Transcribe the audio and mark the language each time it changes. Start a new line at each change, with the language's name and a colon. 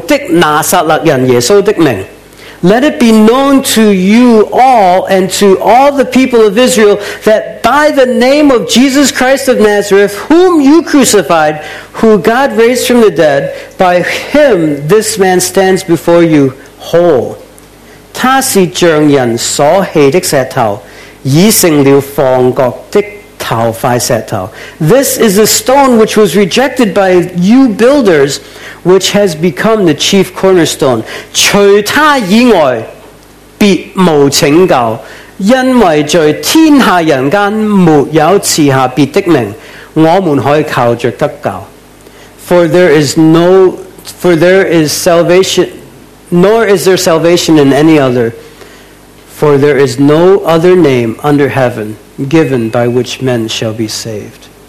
Chinese: 你们众人和以色列百姓都当知道，站在你们面前的这人得痊愈是因你们钉十字架，神叫他从死里复活的拿撒勒人耶稣的名。
English: Let it be known to you all and to all the people of Israel that by the name of Jesus Christ of Nazareth, whom you crucified, who God raised from the dead, by him this man stands before you whole.
Chinese: 他是匠人所弃的石头，已成了房角的头块石头。
English: This is the stone which was rejected by you builders, which has become the chief cornerstone.
Chinese: 除他以外，别无拯救，因为在天下人间没有赐下别的名，我们可以靠着得救。
English: For there is salvation. Nor is there salvation in any other, for there is no other name under heaven given by which men shall be saved.